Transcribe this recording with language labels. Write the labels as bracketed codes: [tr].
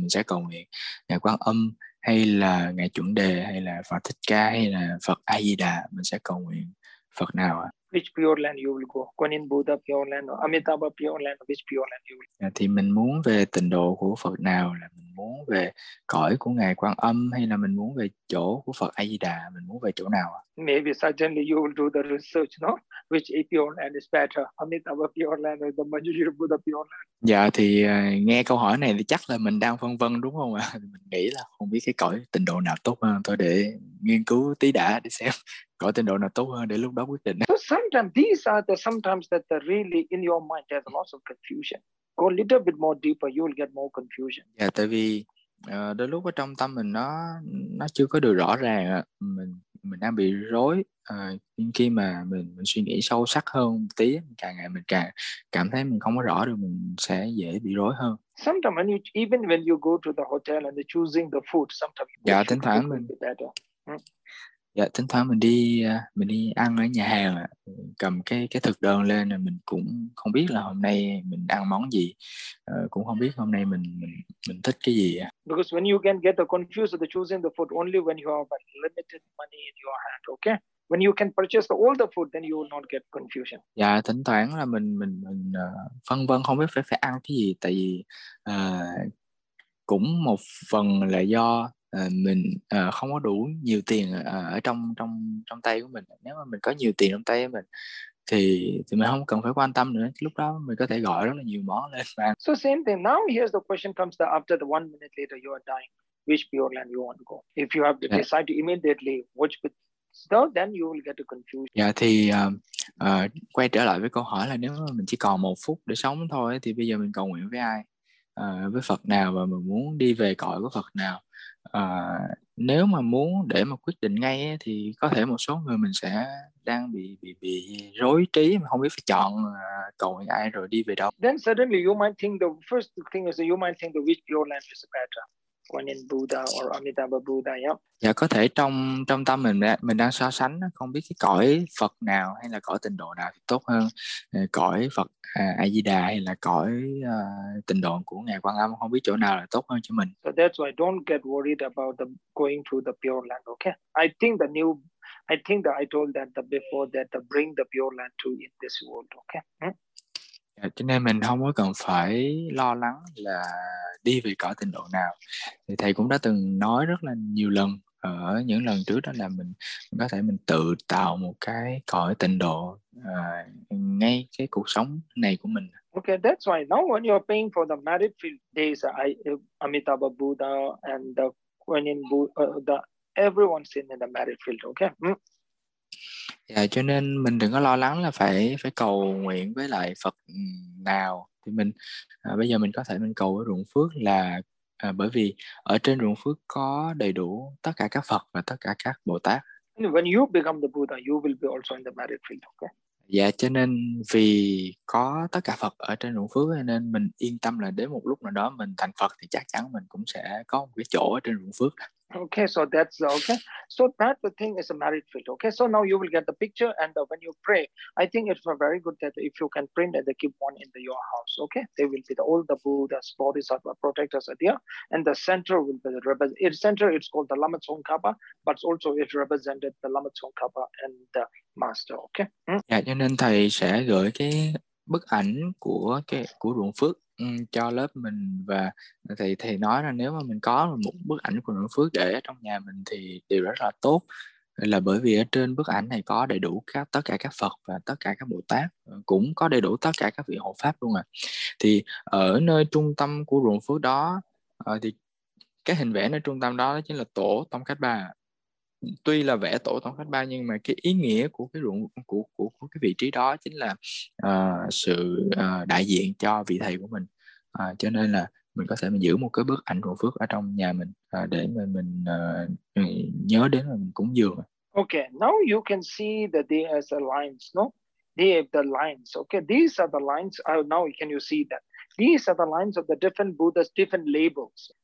[vi] Mình sẽ cầu nguyện Ngài Quan Âm hay là Ngài Chuẩn Đề hay là Phật Thích Ca hay là Phật A Di Đà? Mình sẽ cầu nguyện Phật nào ạ? [en] Which pure land you will go? Kuan Yin Buddha pure land or Amitabha pure land? Which pure land you will go? [vi] Thì mình muốn về tịnh độ của Phật nào? Là mình muốn về cõi của Ngài Quan Âm hay là mình muốn về chỗ của Phật A Di Đà? Mình muốn về chỗ nào ạ? [en] Maybe suddenly you will do the research, no? Which pure land is better? Amitabha pure land or the Manjushri Buddha pure land? [vi] Dạ thì nghe câu hỏi này thì chắc là mình đang phân vân đúng không ạ? Mình nghĩ là không biết cái cõi tịnh độ nào tốt hơn, thôi để nghiên cứu tí đã để xem cõi tịnh độ nào tốt hơn để lúc đó quyết định. [en] So sometimes these are the sometimes that the really in your mind there's lots of confusion. Go a little bit more deeper, you will get more confusion. [vi] Dạ, tại vì đôi lúc ở trong tâm mình nó chưa có được rõ ràng, mình đang bị rối. Nhưng khi mà mình suy nghĩ sâu sắc hơn tí, càng ngày mình càng cảm thấy mình không có rõ được, mình sẽ dễ bị rối hơn. [en] Sometimes when you, even when you go to the hotel and choosing the food, sometimes [vi] dạ, thỉnh thoảng mình [en] be better. [vi] Dạ, thỉnh thoảng mình đi ăn ở nhà hàng, cầm cái thực đơn lên là mình cũng không biết là hôm nay mình ăn món gì, cũng không biết hôm nay mình thích cái gì. [en] Because when you can get the confused of the choosing the food only when you have limited money in your hand, okay? When you can purchase all the food, then you will not get confusion. [vi] Dạ, thỉnh thoảng là mình phân vân không biết phải ăn cái gì, tại vì cũng một phần là do mình không có đủ nhiều tiền ở trong tay của mình. Nếu mà mình có nhiều tiền trong tay của mình thì mình không cần phải quan tâm nữa. Lúc đó mình có thể gọi rất là nhiều món lên bàn. [en] So same thing. Now here's the question comes that after the 1 minute later you are dying, which pure land you want to go? If you have to decide immediately which bit, so then you will get a confusion. [vi] Yeah, thì quay trở lại với câu hỏi là nếu mà mình chỉ còn một phút để sống thôi thì bây giờ mình cầu nguyện với ai? Với Phật nào và mình muốn đi về cõi của Phật nào? Nếu mà muốn để mà quyết định ngay ấy, thì có thể một số người mình sẽ đang bị rối trí mà không biết phải chọn cầu nguyện ai rồi đi về đâu. [en] Then suddenly you might think the first thing is you might think the which pure land is better, Kuan Yin Buddha or Amitabha Buddha, yeah. [vi] Dạ, có thể trong tâm mình đang so sánh không biết cái cõi Phật nào hay là cõi tịnh độ nào thì tốt hơn, cõi Phật A Di Đà hay là cõi tịnh độ của Ngài Quan Âm, không biết chỗ nào là tốt hơn cho mình. [en] So that's why don't get worried about the going to the pure land, okay? I think that I told that the before that the bring the pure land to in this world, okay? [vi] Dạ, cho nên mình không có cần phải lo lắng là đi về cõi tịnh độ nào. Thì thầy cũng đã từng nói rất là nhiều lần ở những lần trước đó là mình có thể mình tự tạo một cái cõi tịnh độ ngay cái cuộc sống này của mình. [en] Okay, that's why now when you're paying for the merit field days, Amitabha Buddha and the Kuan Yin Buddha, everyone's in the merit field, okay? [vi] Dạ, cho nên mình đừng có lo lắng là phải cầu nguyện với lại Phật nào. Thì mình bây giờ mình có thể mình cầu với ruộng phước là bởi vì ở trên ruộng phước có đầy đủ tất cả các Phật và tất cả các Bồ Tát. [en] When you become the Buddha, you will be also in the merit field, okay? [vi] Dạ, cho nên vì có tất cả Phật ở trên ruộng phước nên mình yên tâm là đến một lúc nào đó mình thành Phật thì chắc chắn mình cũng sẽ có một cái chỗ ở trên ruộng phước. [en] Okay, so that's okay. So that the thing is a merit field. Okay, so now you will get the picture, and when you pray, I think it's very good that if you can print and keep one in your house. Okay, they will be all the Buddhas, Bodhisattva protectors are there, and the center will be the center. It's called the Lama Tsongkhapa, but also it represented the Lama Tsongkhapa and the master. Okay. [vi] Dạ, cho nên thầy sẽ gửi cái bức ảnh của cái của ruộng phước cho lớp mình, và thầy nói là nếu mà mình có một bức ảnh của ruộng phước để trong nhà mình thì điều rất là tốt, là bởi vì ở trên bức ảnh này có đầy đủ tất cả các Phật và tất cả các Bồ Tát, cũng có đầy đủ tất cả các vị hộ pháp luôn ạ. Thì ở nơi trung tâm của ruộng phước đó, thì cái hình vẽ nơi trung tâm đó chính là tổ Tông Khách Ba. Tuy là vẽ tổ Tông Khách Ba nhưng mà cái ý nghĩa của cái ruộng của cái vị trí đó chính là sự đại diện cho vị thầy của mình, cho nên là mình có thể mình giữ một cái bức ảnh ruộng phước ở trong nhà mình để mình nhớ đến là mình cúng dường. [en] Okay, now you can see that there is a lines, no? They have the lines. Okay, these are the lines. Now can you see that? These are the lines of the different Buddha's different labels.